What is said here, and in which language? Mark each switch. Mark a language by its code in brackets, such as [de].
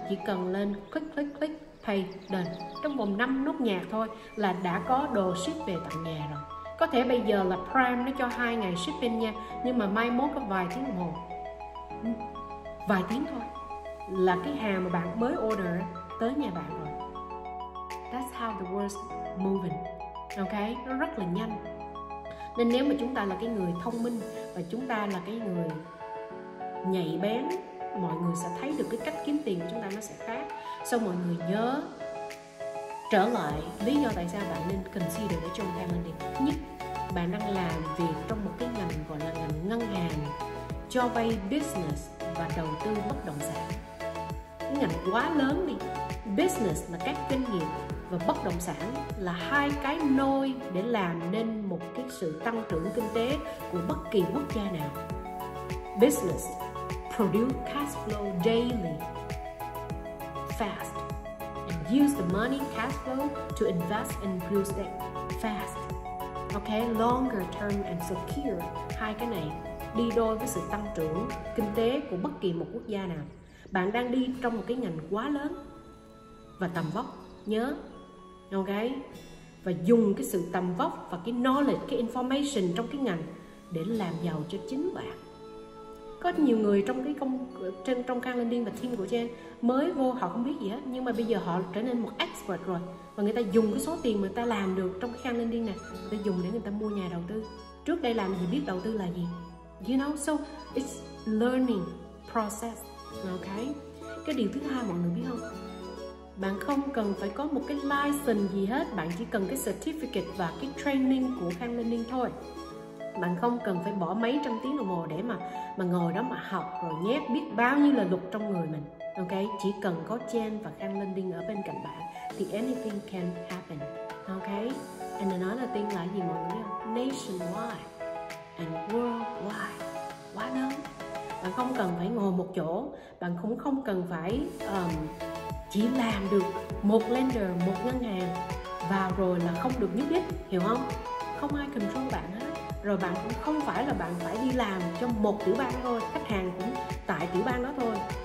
[vi] Chỉ cần lên click pay done. Trong vòng 5 nút nhạc thôi là đã có đồ ship về tận nhà rồi. Có thể bây giờ là Prime nó cho [en] 2 ngày shipping [vi] nha, nhưng mà mai mốt có vài tiếng đồng hồ, vài tiếng thôi là cái hàng mà bạn mới order tới nhà bạn rồi. [en] That's how the world's moving. [vi] Ok, nó rất là nhanh. Nên nếu mà chúng ta là cái người thông minh và chúng ta là cái người nhạy bén, mọi người sẽ thấy được cái cách kiếm tiền của chúng ta nó sẽ khác. [en] So [vi] mọi người nhớ trở lại lý do tại sao bạn nên consider để join Khăn Lending. Thứ nhất, bạn đang làm việc trong một cái ngành gọi là ngành ngân hàng cho vay business và đầu tư bất động sản. Cái ngành quá lớn đi. Business là các doanh nghiệp và bất động sản là hai cái nôi để làm nên một cái sự tăng trưởng kinh tế của bất kỳ quốc gia nào. [en] Business produce cash flow daily, fast, and use the money cash flow to invest and grow that fast. Okay, longer term and secure. [vi] Hai cái này đi đôi với sự tăng trưởng kinh tế của bất kỳ một quốc gia nào. Bạn đang đi trong một cái ngành quá lớn và tầm vóc, nhớ. Ok, và dùng cái sự tầm vóc và cái knowledge, cái information trong cái ngành để làm giàu cho chính bạn. có nhiều người trong cái công trên trong trang LinkedIn và team của Jen mới vô họ không biết gì hết, nhưng mà bây giờ họ trở nên một expert rồi, và người ta dùng cái số tiền mà người ta làm được trong cái trang LinkedIn này, người ta dùng để người ta mua nhà đầu tư. Trước đây làm gì biết đầu tư là gì, [en] you know, so it's learning process, okay. [vi] Cái điều thứ hai mọi người biết không, bạn không cần phải có một cái license gì hết, bạn chỉ cần cái certificate và cái training của trang LinkedIn thôi. Bạn không cần phải bỏ mấy trăm tiếng đồng hồ để mà ngồi đó mà học rồi nhét biết bao nhiêu là luật trong người mình. Ok, chỉ cần có Jen và Khang LinkedIn ở bên cạnh bạn thì [en] anything can happen. Ok, and another thing [vi] là gì mọi người? Nationwide and worldwide. Why not? Bạn không cần phải ngồi một chỗ, bạn cũng không cần phải chỉ làm được một lender, một ngân hàng và rồi là không được nhúc nhích, hiểu không? Không ai control bạn hết. Rồi bạn cũng không phải là bạn phải đi làm cho một tiểu bang thôi, khách hàng cũng tại tiểu bang đó thôi.